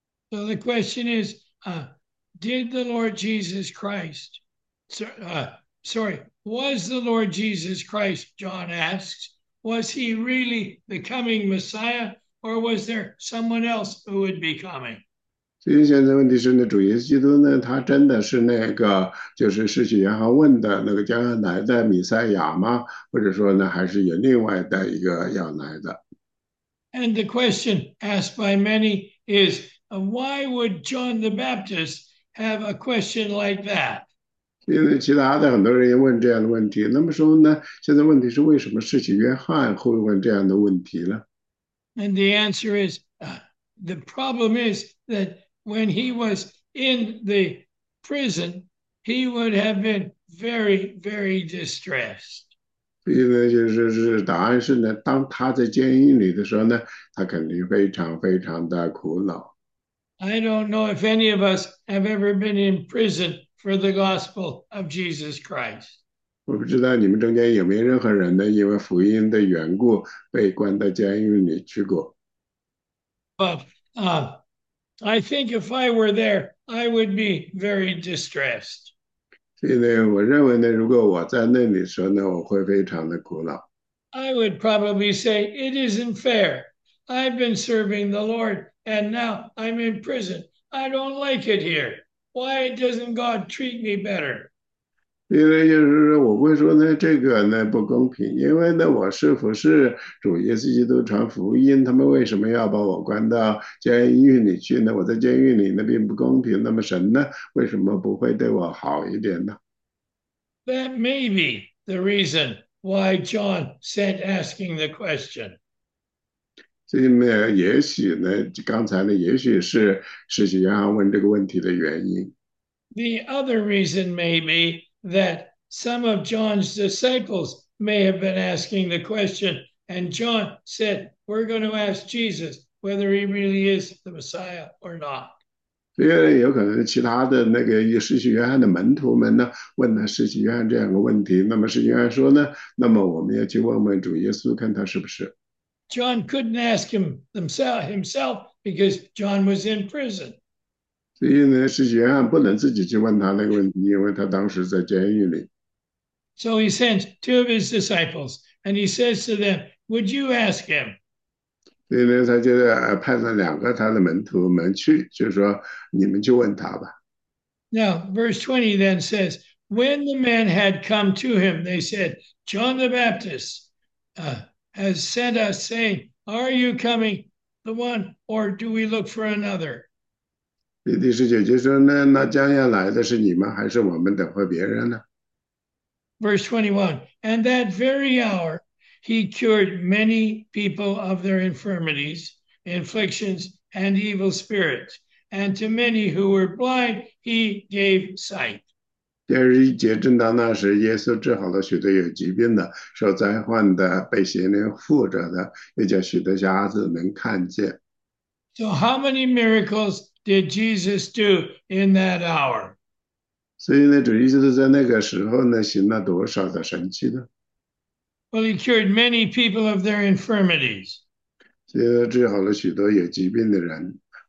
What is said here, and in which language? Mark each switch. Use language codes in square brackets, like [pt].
[en] So the question is, did the Lord Jesus Christ, sorry, was the Lord Jesus Christ, John asks, was he really the coming Messiah? Or was there someone else who would be coming? ？” [zh] 所以现在问题是呢，主耶稣基督呢，他真的是那个？就是施洗约翰问的那个将要来的弥赛亚吗？或者说呢，还是有另外的一个要来的？ [en] And the question asked by many is, why would John the Baptist have a question like that? [zh] 因为其他的很多人也问这样的问题，那么说呢，现在问题是为什么施洗约翰会问这样的问题呢？ [en] And the answer is the problem is that when he was in the prison, he would have been very, very distressed. [zh] 所以呢，就是答案是呢，当他在监狱里的时候呢，他肯定非常的苦恼。 [en] I don't know if any of us have ever been in prison for the gospel of Jesus Christ. [zh] 我不知道你们中间有没有任何人呢，因为福音的缘故被关到监狱里去过。 [en] But I think if I were there, I would be very distressed. [zh] 所以呢，我认为呢，如果我在那里说呢，我会非常的苦恼。 [en] I would probably say, it isn't fair. I've been serving the Lord and now I'm in prison. I don't like it here. Why doesn't God treat me better? [zh] 因为就是我会说呢，这个呢不公平，因为呢我是服侍主耶稣基督传福音，他们为什么要把我关到监狱里去呢？我在监狱里那并不公平，那么神呢为什么不会对我好一点呢？ [en] That may be the reason why John sent asking the question. [zh] 这里面也许呢，刚才呢也许是施洗约翰问这个问题的原因。 [en] The other reason may be that some of John's disciples may have been asking the question, and John said, We're going to ask Jesus whether he really is the Messiah or not. [zh] 所以有可能其他的那个施洗约翰的门徒们呢，问了施洗约翰这样个问题。那么施洗约翰说呢，那么我们要去问问主耶稣，看他是不是。 [en] John couldn't ask him himself because John was in prison. [zh] 所以呢，是约翰不能自己去问他那个问题，因为他当时在监狱里。 [en] So he sent two of his disciples and he says to them, Would you ask him? [zh] 所以呢，他就派了2个他的门徒们去，就是说你们去问他吧。 [en] Now, verse 20 then says, When the men had come to him, they said, John the Baptist has sent us, saying, Are you coming, the one, or do we look for another? [zh] 第19就说呢，那将要来的是你们，还是我们等候别人呢？ [en] Verse 21, And that very hour he cured many people of their infirmities, afflictions, and evil spirits. And to many who were blind, he gave sight. [zh] 第21节，正当那时，耶稣治好了许多有疾病的、受灾患的、被邪灵附着的，又叫许多瞎子能看见。 [en] So, how many miracles did Jesus do in that hour? [zh] 所以呢，主耶稣在那个时候呢，行了多少的神迹呢？ [en] Well, he cured many people of their infirmities. [zh] 所以呢，治好了许多有疾病的人，